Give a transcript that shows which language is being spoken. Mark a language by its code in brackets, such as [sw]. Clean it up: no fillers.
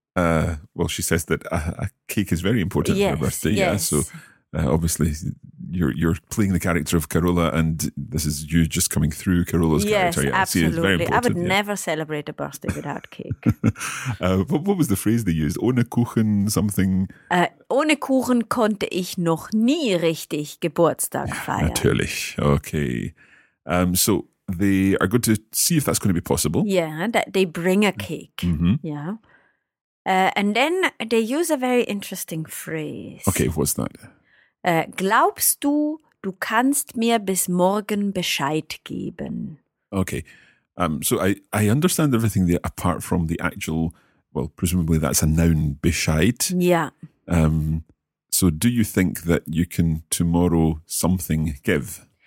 [en] Well, she says that a cake is very important for her birthday. Yes. Yeah. So obviously, you're playing the character of Carola, and this is you just coming through Carola's character. Yes, absolutely. See, it's very important. I would never celebrate a birthday without cake. what was the phrase they used? [de] Ohne Kuchen [en] something? [de] Ohne Kuchen konnte ich noch nie richtig Geburtstag feiern. Natürlich. Okay. [en] So they are going to see if that's going to be possible. Yeah, that they bring a cake. Mm-hmm. Yeah. And then they use a very interesting phrase. Okay, what's that? [de] Glaubst du, du kannst mir bis morgen Bescheid geben? [en] Okay, so I understand everything there apart from the actual, well, presumably that's a noun, Bescheid. Yeah. So do you think that you can tomorrow something give?